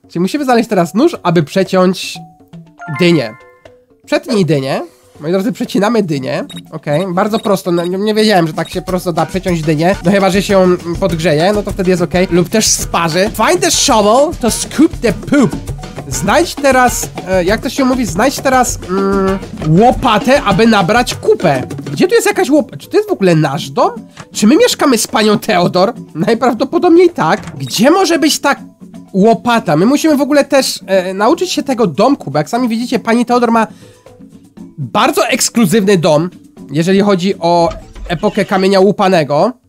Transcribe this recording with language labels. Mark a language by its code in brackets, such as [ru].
[pl] Czyli musimy znaleźć teraz nóż, aby przeciąć dynię. Przetnij dynię. Moi drodzy, przecinamy dynię. Okej, okay. Bardzo prosto, no, nie wiedziałem, że tak się prosto da przeciąć dynię. No chyba, że się podgrzeje, no to wtedy jest okej. Okay. Lub też sparzy. [en] Find the shovel to scoop the poop. [pl] Znajdź teraz, jak to się mówi, znajdź teraz łopatę, aby nabrać kupę. Gdzie tu jest jakaś łopata? Czy to jest w ogóle nasz dom? Czy my mieszkamy z panią Theodore? Najprawdopodobniej tak. Gdzie może być ta łopata? My musimy w ogóle też nauczyć się tego domku, bo jak sami widzicie, pani Theodore ma bardzo ekskluzywny dom, jeżeli chodzi o epokę kamienia łupanego.